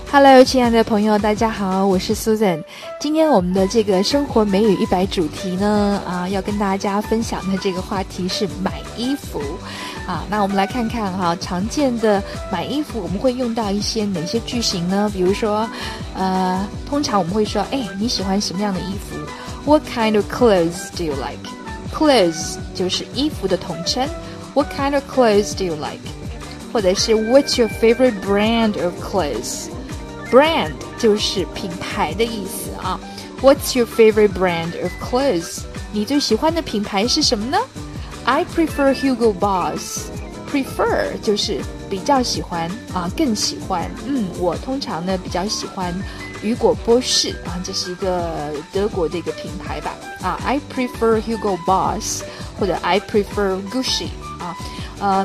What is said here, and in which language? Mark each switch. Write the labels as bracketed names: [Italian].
[English] Hello， [Chinese] 亲爱的朋友，大家好，我是 Susan。今天我们的这个生活美语100主题呢，要跟大家分享的这个话题是买衣服。那我们来看看哈，常见的买衣服我们会用到一些哪些句型呢？比如说，通常我们会说，哎，你喜欢什么样的衣服？ [English] What kind of clothes do you like? [Chinese] Clothes 就是衣服的统称。 [English] What kind of clothes do you like? [Chinese] 或者是 [English] What's your favorite brand of clothes? [Chinese] Brand 就是品牌的意思啊。 [English] What's your favorite brand of clothes? [Chinese] 你最喜欢的品牌是什么呢？ [English] I prefer Hugo Boss. [Chinese] Prefer 就是比较喜欢啊，更喜欢。我通常呢比较喜欢雨果波士啊，这是一个德国的一个品牌吧。 [English] I prefer Hugo Boss [Chinese] 或者 [English] I prefer Gucci 啊。